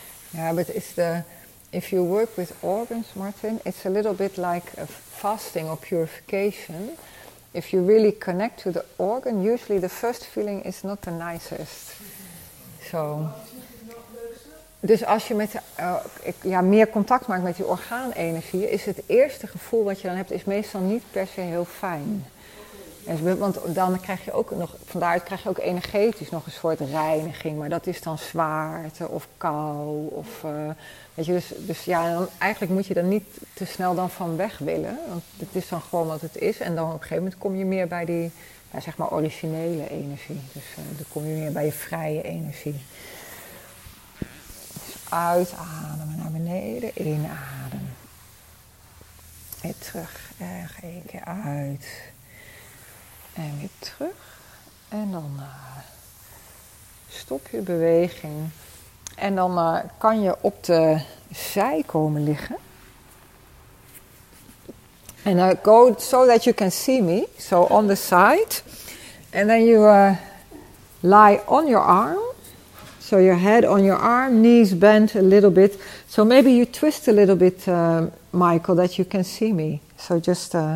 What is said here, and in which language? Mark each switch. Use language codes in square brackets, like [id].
[en] Yeah, but it's the, if you work with organs, Martin, it's a little bit like a fasting or purification. If you really connect to the organ, usually the first feeling is not the nicest. [nl] So, dus als je met ja, meer contact maakt met die orgaanenergie, is het eerste gevoel wat je dan hebt, is meestal niet per se heel fijn. Want dan krijg je ook nog, vandaaruit krijg je ook energetisch nog een soort reiniging, maar dat is dan zwaarte of kou. Of, weet je, dus ja, dan, eigenlijk moet je dan niet te snel dan van weg willen, want het is dan gewoon wat het is. En dan op een gegeven moment kom je meer bij die, ja, zeg maar, originele energie. Dus dan kom je meer bij je vrije energie. Dus uitademen naar beneden, inademen. Weer terug, erg één keer uit. En weer terug. En dan stop je beweging. En dan kan je op de zij komen liggen. [en] En go so that you can see me. So on the side. And then you lie on your arm. So your head on your arm. Knees bent a little bit. So maybe you twist a little bit, Michael, that you can see me. So just...